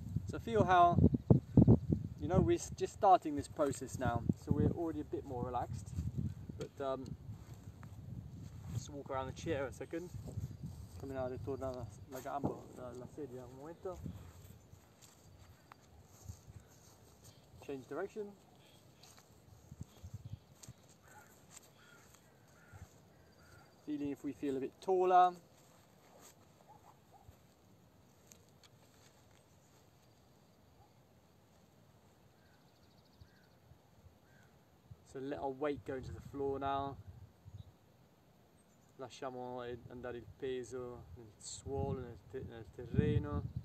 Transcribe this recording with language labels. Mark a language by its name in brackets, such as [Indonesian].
[English] So feel how, you know, we're just starting this process now, so we're already a bit more relaxed. But just walk around the chair a second. [Italian] Camminare torna la gamba dalla sedia un momento. [English] Change direction. Feeling if we feel a bit taller. So let our weight go into the floor now. [Italian] Lasciamo andare il peso nel suolo, nel terreno.